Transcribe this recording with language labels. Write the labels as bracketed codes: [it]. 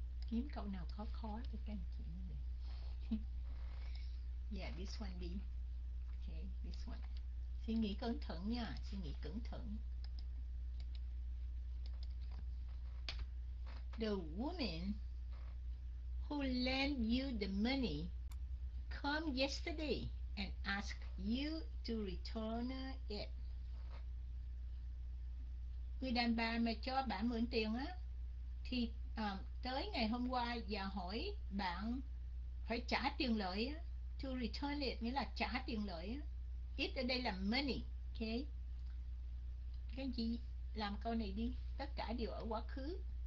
[vi] Kiếm câu nào khó khó cho các anh chị [en] Yeah, this one [vi] đi. [en] Okay, this one. [vi] Suy nghĩ cẩn thận nha, suy nghĩ cẩn thận. [en] The woman who lent you the money come yesterday and ask you to return it. [vi] Người đàn bà mà cho bạn mượn tiền á thì tới ngày hôm qua và hỏi bạn phải trả tiền lợi, [en] to return it [vi] nghĩa là trả tiền lợi, it ở đây là money. Ok, các anh chị làm câu này đi, tất cả đều ở quá khứ.